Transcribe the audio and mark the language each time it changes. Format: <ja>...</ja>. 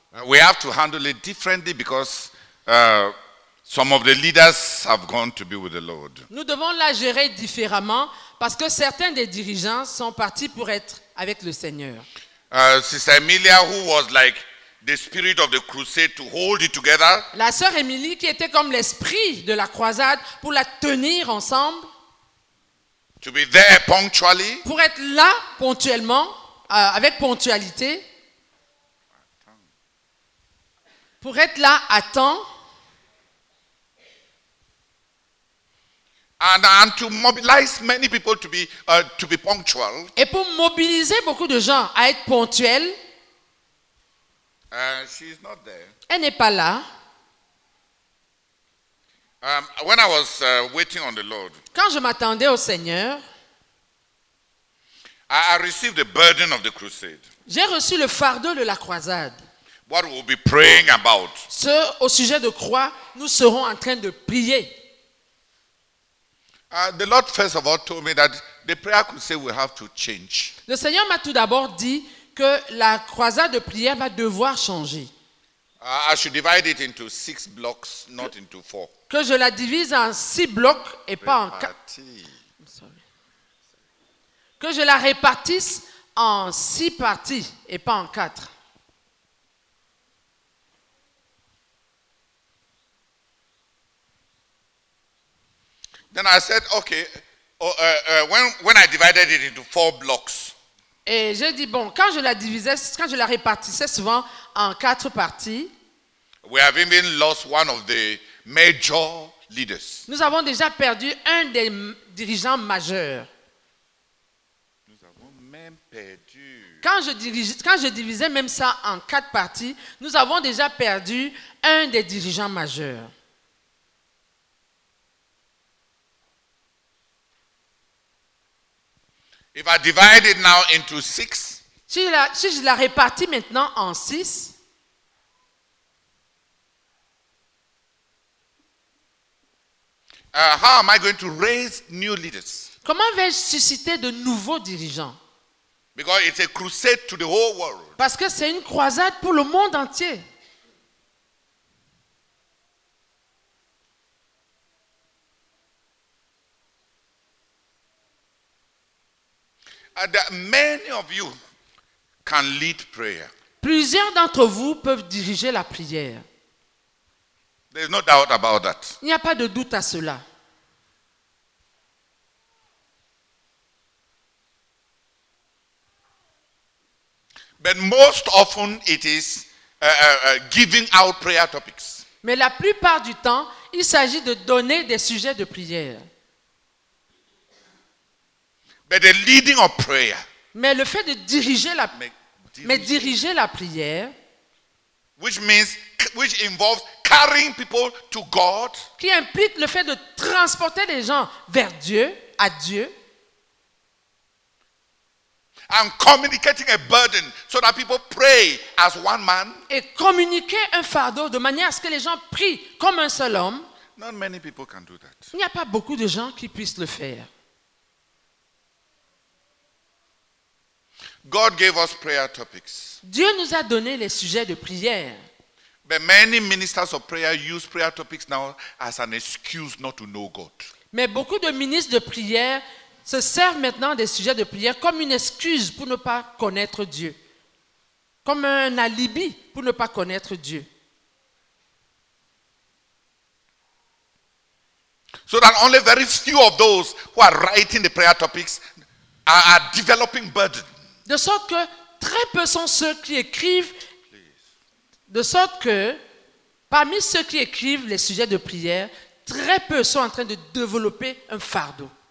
<en>We have to handle it differently because some of the leaders have gone to be with the Lord.</en> <fr>Nous devons la gérer différemment parce que certains des dirigeants sont partis pour être avec le Seigneur.</fr> <en>Sister Emilia, who was like the spirit of the crusade to hold it together.</en> <fr>La sœur Émilie qui était comme l'esprit de la croisade pour la tenir ensemble.</fr> <en>To be there punctually.</en> <fr>Pour être là ponctuellement, avec ponctualité. Pour être là à temps.</fr> <en>And to mobilize many people to be punctual.</en> <fr>Et pour mobiliser beaucoup de gens à être ponctuels.</fr> <en>She's not there.</en> <fr>Elle n'est pas là.</fr> <en>When I was waiting on the Lord.</en> <fr>Quand je m'attendais au Seigneur.</fr> <en>I received the burden of the crusade.</en> <fr>J'ai reçu le fardeau de la croisade.</fr> <en>What we'll be praying about.</en> <fr>Ce au sujet de quoi nous serons en train de prier.</fr> <en>The Lord first of all told me that the prayer crusade will have to change.</en> <fr>Le Seigneur m'a tout d'abord dit que la croisade de prière va devoir changer.</fr> <en>I should divide it into six blocks, not into four.</en> <fr>Que je la divise en six blocs et pas en quatre. Que je la répartisse en six parties et pas en quatre.</fr> <en>Then I said, okay, when I divided it into four blocks.</en> <fr>Et je dis bon, quand je la divisais, quand je la répartissais souvent en quatre parties.</fr> <en>We have even lost one of the major leaders.</en> <fr>Nous avons déjà perdu un des dirigeants majeurs. Nous avons même perdu. Quand je divisais même ça en quatre parties, nous avons déjà perdu un des dirigeants majeurs.</fr> <en>If I divide it now into six,</en> <fr>si je la répartis maintenant en six,</fr> <en>how am I going to raise new leaders?</en> <fr>Comment vais-je susciter de nouveaux dirigeants?</fr> <en>Because it's a crusade to the whole world.</en> <fr>Parce que c'est une croisade pour le monde entier.</fr> <en>Many of you can lead prayer.</en> <fr>Plusieurs d'entre vous peuvent diriger la prière.</fr> <en>There's no doubt about that.</en> <fr>Il n'y a pas de doute à cela.</fr> <en>But most often it is giving out prayer topics.</en> <fr>Mais la plupart du temps, il s'agit de donner des sujets de prière.</fr> <en>But the leading of prayer.</en> <fr>Mais le fait de diriger la prière,</fr> <en>which involves carrying people to God,</en> <fr>qui implique le fait de transporter les gens vers Dieu, à Dieu,</fr> <en>and communicating a burden so that people pray as one man,</en> <fr>et communiquer un fardeau de manière à ce que les gens prient comme un seul homme.</fr> <en>Not many people can do that.</en> <fr>Il n'y a pas beaucoup de gens qui puissent le faire.</fr> <en>God gave us prayer topics.</en> <fr>Dieu nous a donné les sujets de prière.</fr> <en>But many ministers of prayer use prayer topics now as an excuse not to know God.</en> <fr>Mais beaucoup de ministres de prière se servent maintenant des sujets de prière comme une excuse pour ne pas connaître Dieu. Comme un alibi pour ne pas connaître Dieu.</fr> <en>So that only very few of those who are writing the prayer topics are developing burdens.</en> <fr>De sorte que très peu sont ceux qui écrivent. De sorte que parmi ceux qui écrivent les sujets de prière, très peu sont en train de développer un fardeau.</fr>